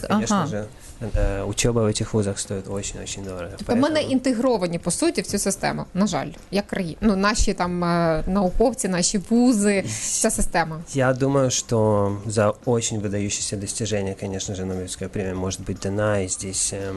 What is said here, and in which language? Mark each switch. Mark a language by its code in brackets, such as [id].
[ru] Конечно же, учеба в этих вузах стоит очень-очень дорого. [uk] Тобто поэтому... ми не інтегровані, по суті, в цю систему, на жаль, як країна. Ну, наші там науковці, наші вузи, вся система. [ru] Я думаю, что за очень выдающиеся достижения, конечно же, Нобелевская премия может быть дана, и здесь...